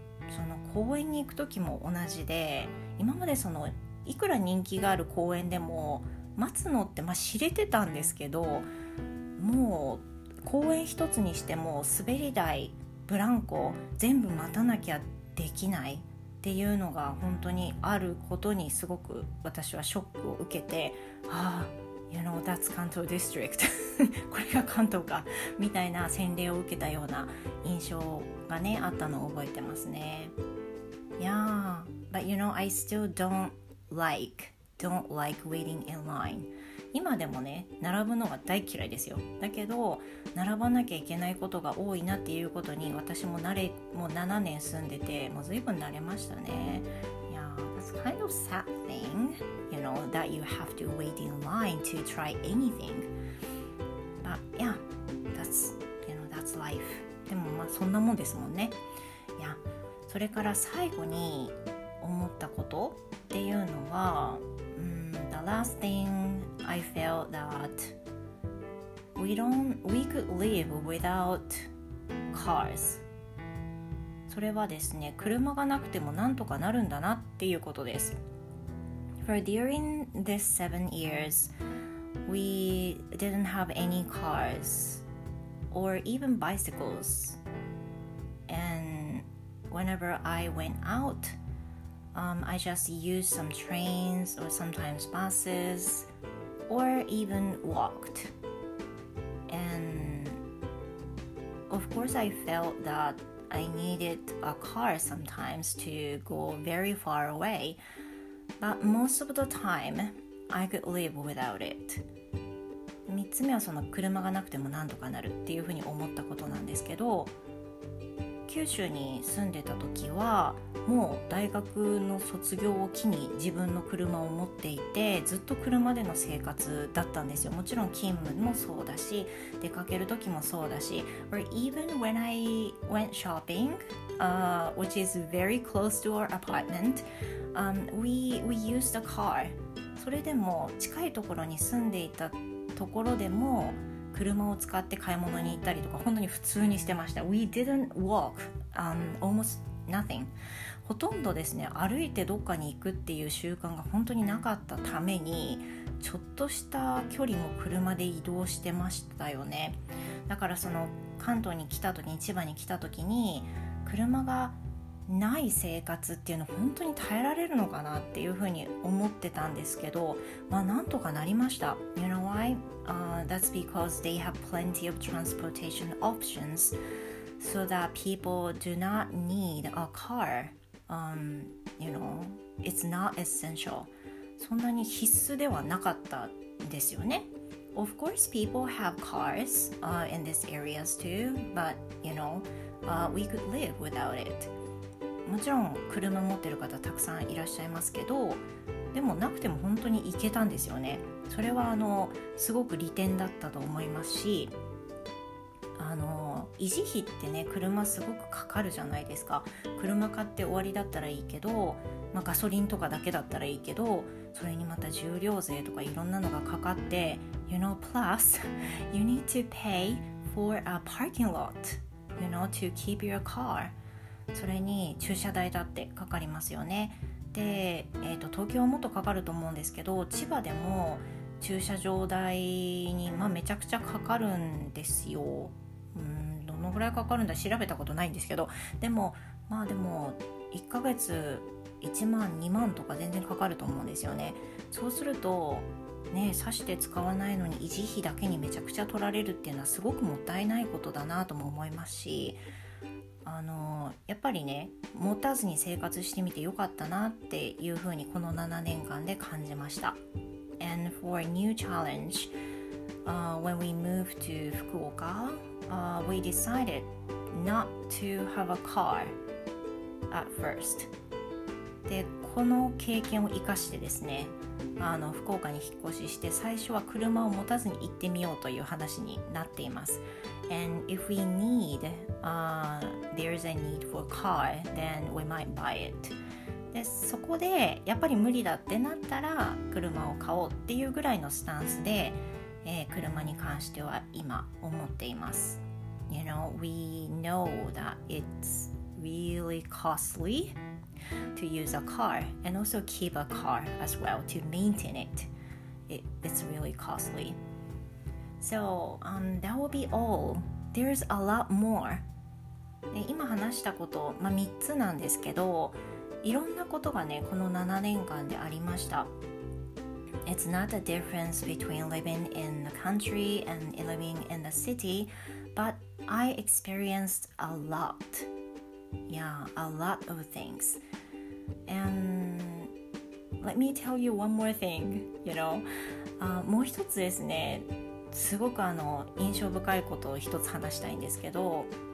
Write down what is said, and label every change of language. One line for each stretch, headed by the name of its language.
Japanese: その公園に行くときも同じで、今までそのいくら人気がある公園でも待つのって、まあ、知れてたんですけど、もう公園一つにしても滑り台、ブランコ全部待たなきゃできないっていうのが本当にあることにすごく私はショックを受けて、ああ、
English: You know, that's 関東 district.
Japanese: これが関東かみたいな洗礼を受けたような印象がねあったのを覚えてますね。
English: Yeah, but you know, I still don't like waiting in line.
Japanese: 今でもね、並ぶのが大嫌いですよ。だけど並ばなきゃいけないことが多いなっていうことに私も7年住んでて、もう随分慣れましたね。
English: Yeah, that's kind of sad thing, you know, that you have to wait in line to try anything. But yeah, that's, you know, that's life.
Japanese: でもまあそんなもんですもんね。
English: Yeah,
Japanese: それから最後に思ったことっていうのは、
English: the last thing I felt that we could live without cars.
Japanese: それはですね、車がなくてもなんとかなるんだなっていうことです。
English: For during this 7 years, we didn't have any cars or even bicycles. And whenever I went outI just use some trains or sometimes buses or even walked. And of course I felt that I needed a car sometimes to go very far away. But most of the time I could live without it.
Japanese: 三つ目はその車がなくてもなんとかなるっていうふうに思ったことなんですけど、九州に住んでた時はもう大学の卒業を機に自分の車を持っていて、ずっと車での生活だったんですよ。もちろん勤務もそうだし、出かける時もそうだし、
English: or even when I went shopping、which is very close to our apartment、we used a car。
Japanese: それでも近いところに住んでいたところでも車を使って買い物に行ったりとか本当に普通にしてました。
English: We didn't walk、almost nothing。
Japanese: ほとんどですね、歩いてどっかに行くっていう習慣が本当になかったために、ちょっとした距離も車で移動してましたよね。だからその関東に来た時に、千葉に来た時に車がない生活っていうの本当に耐えられるのかなっていうふうに思ってたんですけど、まあなんとかなりました。
English: You know why?、that's because they have plenty of transportation options so that people do not need a car、you know, it's not essential。
Japanese: そんなに必須ではなかったんですよね。
English: Of course people have cars、in these areas too, but you know、we could live without it。
Japanese: もちろん車持ってる方たくさんいらっしゃいますけど、でもなくても本当に行けたんですよね。それはすごく利点だったと思いますし、維持費ってね、車すごくかかるじゃないですか。車買って終わりだったらいいけど、まあ、ガソリンとかだけだったらいいけど、それにまた重量税とかいろんなのがかかって、
English: You know, plus you need to pay for a parking lot, you know, to keep your car。
Japanese: それに駐車代だってかかりますよね。で、東京はもっとかかると思うんですけど、千葉でも駐車場代に、まあ、めちゃくちゃかかるんですよ。どのぐらいかかるんだ、調べたことないんですけど、でもまあでも1ヶ月1万2万とか全然かかると思うんですよね。そうするとね、刺して使わないのに維持費だけにめちゃくちゃ取られるっていうのはすごくもったいないことだなとも思いますし、やっぱりね、持たずに生活してみてよかったなっていうふうにこの7年間で感じました。
English: And for a new challenge、when we moved to Fukuoka、we decided not to have a car at first。
Japanese: で、この経験を生かしてですね、福岡に引っ越しして最初は車を持たずに行ってみようという話になっています。
English: And if we need、there's a need for a car, then we might buy it。
Japanese: で、そこでやっぱり無理だってなったら車を買おうっていうぐらいのスタンスで、車に関しては今思っています。
English: You know, we know that it's really costlyto use a car and also keep a car as well to maintain it. It's really costly. So, that will be all. There's a lot more.
Japanese: 今話したこと、まあ、3つなんですけど、いろんなことがね、この7年間でありました。
English: It's not the difference between living in the country and living in the city, but I experienced a lot. Yeah, a lot of things. And let me tell you one more thing, you know.、
Japanese: もう一つですね、すごく印象深いことを一つ話したいんですけど、